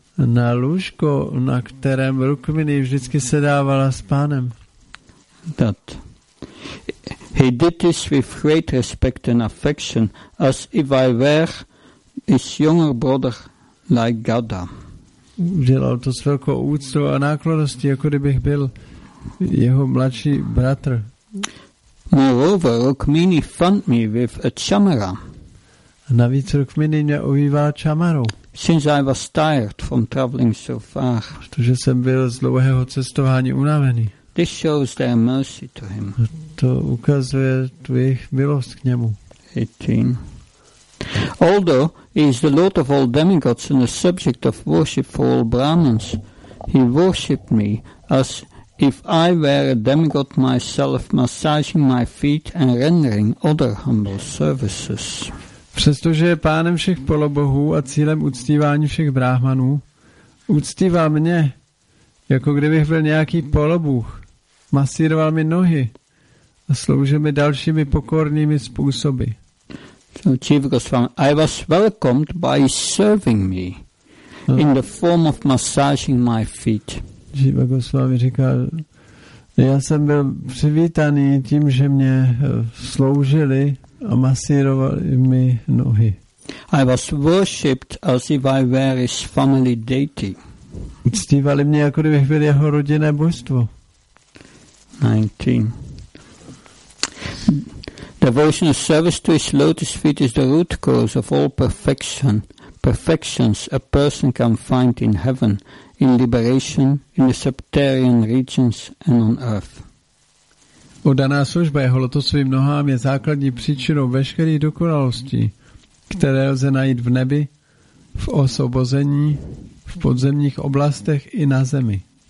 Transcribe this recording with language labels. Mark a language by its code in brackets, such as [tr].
[cs] Na lůžko, na kterém Rukmini vždycky sedávala s pánem. [en] That. He did this with great respect and affection, as if I were his younger brother, like Gada. [cs] Udělal to s velkou úctou a náklonností, jako kdybych byl jeho mladší bratr. [en] Moreover, Rukmini found me with a chamara. [cs] Navíc Rukmini mě ovívala čamarou. [en] Since I was tired from traveling so far. [cs] Protože jsem byl z dlouhého cestování unavený. [en] This shows their mercy to him. [cs] To ukazuje tu jejich milost k němu. [en] 18. Although he is the lord of all demigods and the subject of worship for all Brahmins, he worshipped me as if I were a demigod myself, massaging my feet and rendering other humble services. [cs] Přestože je pánem všech polobohů a cílem uctívání všech bráhmanů, uctívá mě, jako kdybych byl nějaký polobůh, masíroval mi nohy a sloužil mi dalšími pokornými způsoby. [en] I was welcomed by serving me in the form of massaging my feet. [cs] Jiva Goswami říká, já jsem byl přivítaný tím, že mě sloužili a masírovali mi nohy. [en] I was worshipped as if I were his family deity. [cs] Uctívali mě, jako kdybych byl jeho rodinné božstvo. [en] 19. Devotional service to his lotus feet is the root cause of all perfections a person can find in heaven, in liberation, in the subterranean regions and on earth. [cs] Oddaná služba jeho lotosovým nohám je základní příčinou veškerých dokonalostí, které lze najít v nebi, v osvobození, v podzemních oblastech i na zemi.